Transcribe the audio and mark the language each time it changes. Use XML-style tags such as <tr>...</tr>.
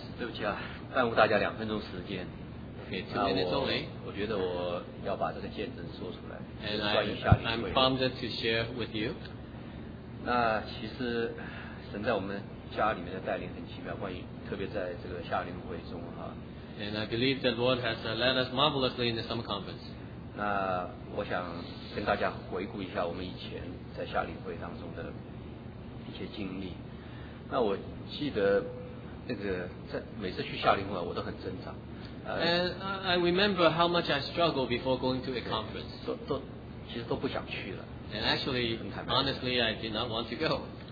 <zh>对不起啊，耽误大家两分钟时间。我觉得我要把这个见证说出来。</zh> <en>And I'm prompted to share with you.</en> <zh>那其实神在我们家里面的带领很奇妙，关于特别在这个夏令会中哈。</zh> <en>And I believe that Lord has led us marvelously in the summer conference.</en> <zh>那我想跟大家回顾一下我们以前在夏令会当中的一些经历。那我记得那个在每次去夏令会我都很挣扎。</zh> <en>And I remember how much I struggled before going to a conference.</en> <zh>其实都不想去了。</zh> <en>And actually, honestly, I did not want to go.</en>